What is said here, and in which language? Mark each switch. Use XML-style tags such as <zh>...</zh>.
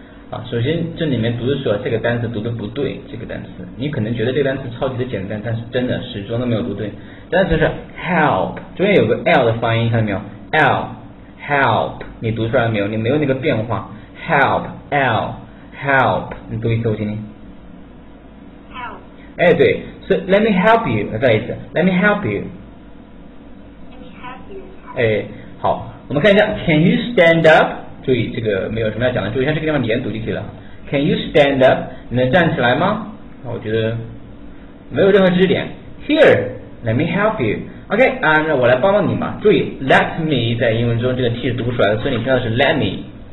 <zh>啊，首先这里面读的时候，这个单词读的不对，这个单词你可能觉得这个单词超级的简单，但是真的始终都没有读对。单词是 help， 中间有个 l 的发音，看到没有 ？l help， 你读出来没有？你没有那个变化 ，help l help， 你读一次我听听。</zh> <en>help。哎，对。So, let me help you.</en> <zh>再一次</zh> <en>，Let me help you. Let me help you.</en> <zh>哎，好，我们看一下 ，</zh> <en>Can you stand up？</en> <zh>注意这个没有什么要讲的，注意一下这个地方连读就可以了。</zh> <en>Can you stand up？</en> <zh>你能站起来吗？我觉得没有任何知识点。</zh> <en>Here, let me help you. OK，</en> <zh>那我来帮帮你嘛。注意 ，</zh> <en>Let me</en> <zh>在英文中这个 T 是读不出来的，所以你听到的是 Let me。</zh>